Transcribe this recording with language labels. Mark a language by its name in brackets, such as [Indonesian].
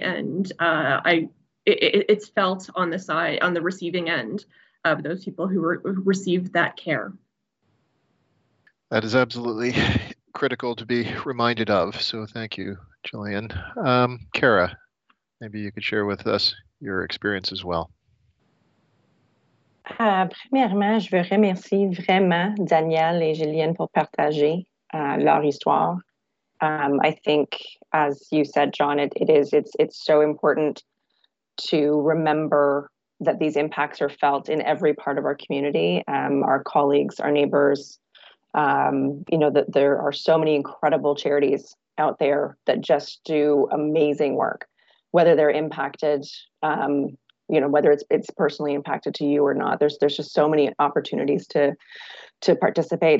[English] And it's felt on the side, on the receiving end of those people who received that care. That is absolutely critical to be reminded of. So thank you, Jillian. Kara, maybe you could share with us your experience as well. [French] Premièrement, je veux remercier vraiment Daniel et Jillian pour partager leur histoire. [English] I think, as you said, John, it's so important to remember that these impacts are felt in every part of our community, our colleagues, our neighbors, you know, that there are so many incredible charities out there that just do amazing work, whether they're impacted, you know, whether it's personally impacted to you or not, there's just so many opportunities to participate.